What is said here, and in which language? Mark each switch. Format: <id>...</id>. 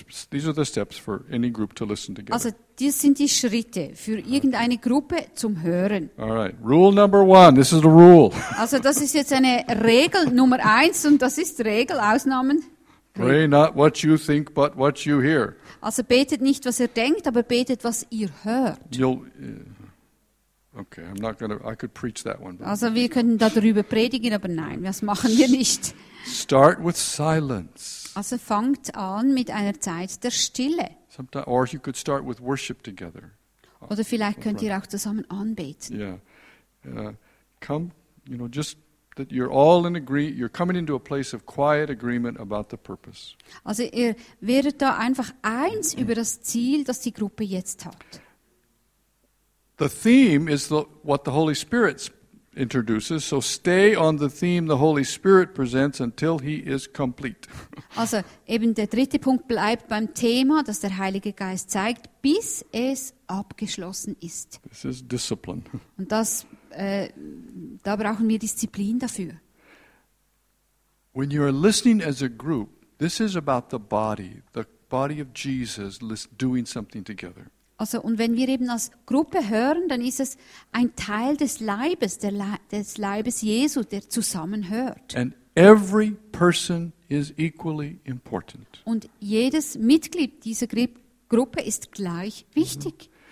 <en>These are the steps for any group to listen together.</en> <de>Also, das sind die Schritte für irgendeine Gruppe zum Hören.</de> <en>All right. Rule number one. This is the rule.</en> <de>Also, das ist jetzt eine Regel Nummer eins und das ist Regel, Ausnahmen.</de> <en>Pray not what you think, but what you hear.</en> <de>Also, betet nicht, was ihr denkt, aber betet, was ihr hört.</de> <en>I could preach that one.</en> <de>Also, wir könnten darüber predigen, aber nein, das machen wir nicht.</de> <en>Start with silence.</en> <de>Also fangt an mit einer Zeit der Stille.</de> <en>Or you could start with worship together.</en> <de>Oder vielleicht könnt ihr auch zusammen anbeten.</de> <en>Yeah. Come, you know, just that you're all in agreement, you're coming into a place of quiet agreement about the purpose.</en> <de>Also ihr werdet da einfach eins über das Ziel, das die Gruppe jetzt hat.</de> <en>The theme is what the Holy Spirit introduces, so stay on the theme the Holy Spirit presents until he is complete.</en> <de>Also, eben der dritte Punkt bleibt beim Thema, das der Heilige Geist zeigt, bis es abgeschlossen ist.</de> <en>This is discipline.</en> <de>Und das, da brauchen wir Disziplin dafür.</de> <en>When you are listening as a group, this is about the body of Jesus doing something together.</en> <de>Also, und wenn wir eben als Gruppe hören, dann ist es ein Teil des Leibes, des Leibes Jesu, der zusammenhört.</de> <en>And every person is equally important.</en> <de>Und jedes Mitglied dieser Gruppe ist gleich wichtig.</de>